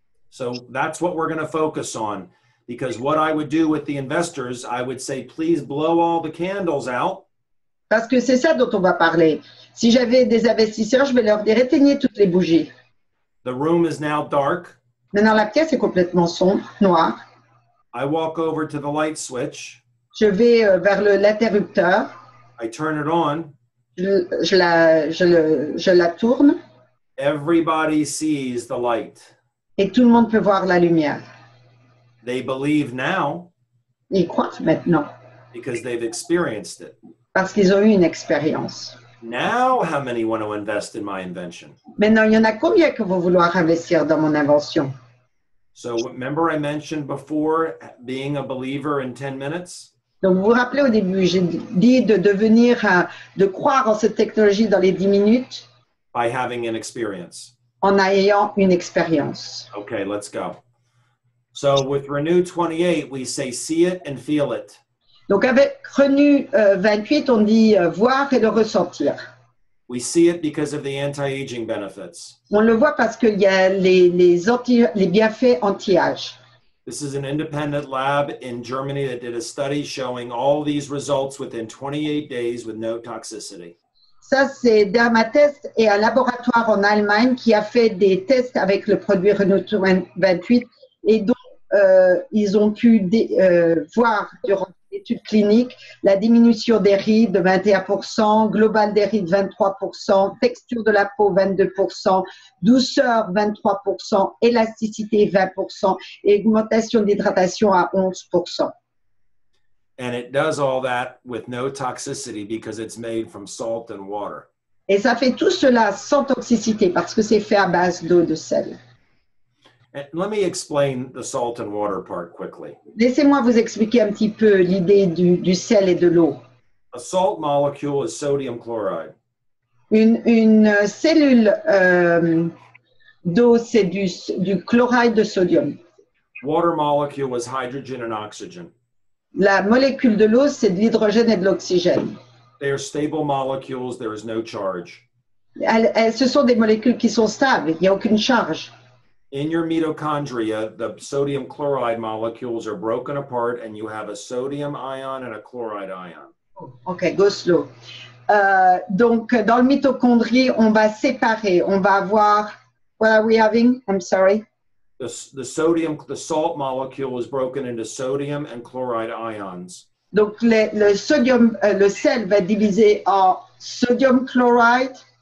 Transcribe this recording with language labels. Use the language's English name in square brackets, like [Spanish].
[English] So that's what we're going to focus on. Because what I would do with the investors, I would say, please blow all the candles out. [French] Parce que c'est ça dont on va parler. Si j'avais des investisseurs, je vais leur dire, éteignez toutes les bougies. [English] The room is now dark. [French] Maintenant, la pièce est complètement sombre, noire. [English] I walk over to the light switch. [French] Je vais vers l'interrupteur. [English] I turn it on. [French] Je la tourne. [English] Everybody sees the light. [French] Et tout le monde peut voir la lumière. [English] They believe now. [French] Ils croient maintenant. [English] Because they've experienced it. [French] Parce qu'ils ont eu une expérience. [English] Now, how many want to invest in my invention? [French] Maintenant, il y en a combien qui vont vouloir investir dans mon invention? [English] So, remember I mentioned before being a believer in 10 minutes? [French] Donc, vous vous rappelez au début, j'ai dit de devenir, de croire en cette technologie dans les 10 minutes? [English] By having an experience. [French] En ayant une expérience. [English] Okay, let's go. So, with Renew 28, we say see it and feel it. [French] Donc avec Renew 28, on dit voir et le ressentir. [English] We see it because of the anti-aging benefits. [French] On le voit parce qu'il y a les bienfaits anti-âge. [English] This is an independent lab in Germany that did a study showing all these results within 28 days with no toxicity. [French] Ça, c'est Dermatest et un laboratoire en Allemagne qui a fait des tests avec le produit Renew 28 et donc ils ont pu voir durant étude clinique, la diminution des rides de 21%, global des rides 23%, texture de la peau 22%, douceur 23%, élasticité 20% et augmentation d'hydratation à 11%. [English] And it does all that with no toxicity because it's made from salt and water. [French] Et ça fait tout cela sans toxicité parce que c'est fait à base d'eau de sel. [English] And let me explain the salt and water part quickly. [French] Laissez-moi vous expliquer un petit peu l'idée du sel et de l'eau. [English] A salt molecule is sodium chloride. [French] Une cellule d'eau, c'est du chloride de sodium. [English] Water molecule is hydrogen and oxygen. [French] La molécule de l'eau, c'est de l'hydrogène et de l'oxygène. [English] They are stable molecules, there is no charge. [French] Ce sont des molécules qui sont stables, il n'y a aucune charge. [English] In your mitochondria, the sodium chloride molecules are broken apart and you have a sodium ion and a chloride ion. Ok, go slow. [French] Donc, dans le mitochondrie, on va séparer. On va avoir... [English] What are we having? I'm sorry. The salt molecule is broken into sodium and chloride ions. [French] Donc, le sel va être divisé en sodium chloride.